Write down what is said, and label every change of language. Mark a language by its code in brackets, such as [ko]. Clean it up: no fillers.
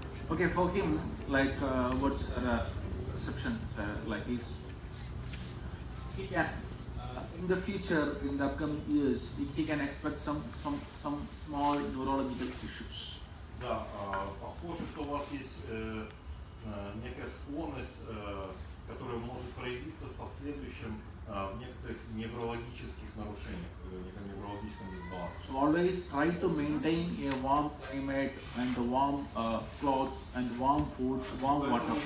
[en] Okay, for him, like what's the perception, like he's, in the future, in the upcoming years, he can expect some small neurological issues. [ru] Да, похоже, что у вас есть некая склонность, которая может проявиться в последующем в некоторых неврологических нарушениях, в неком неврологическом дисбалансе. [en] So always try to maintain a warm climate and warm clothes and warm foods, warm water.